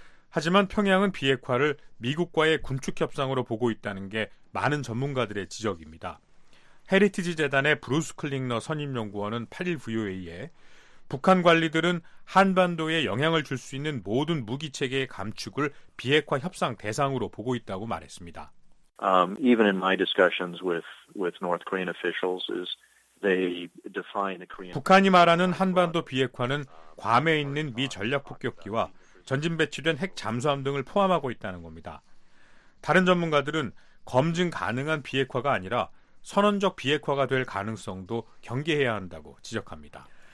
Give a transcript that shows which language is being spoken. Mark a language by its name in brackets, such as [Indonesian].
[Korean] 하지만 평양은 비핵화를 미국과의 군축 협상으로 보고 있다는 게 많은 전문가들의 지적입니다. 헤리티지 재단의 브루스 클링너 선임 연구원은 8일 VOA에 북한 관리들은 한반도에 영향을 줄 수 있는 모든 무기 체계의 감축을 비핵화 협상 대상으로 보고 있다고 말했습니다. [English] Even in my discussions with North Korean officials is they define a Korean [Korean] 북한이 말하는 한반도 비핵화는 괌에 있는 미 전략 폭격기와 전진 배치된 핵 잠수함 등을 포함하고 있다는 겁니다. 다른 전문가들은 검증 가능한 비핵화가 아니라 선언적 비핵화가 될 가능성도 경계해야 한다고 지적합니다.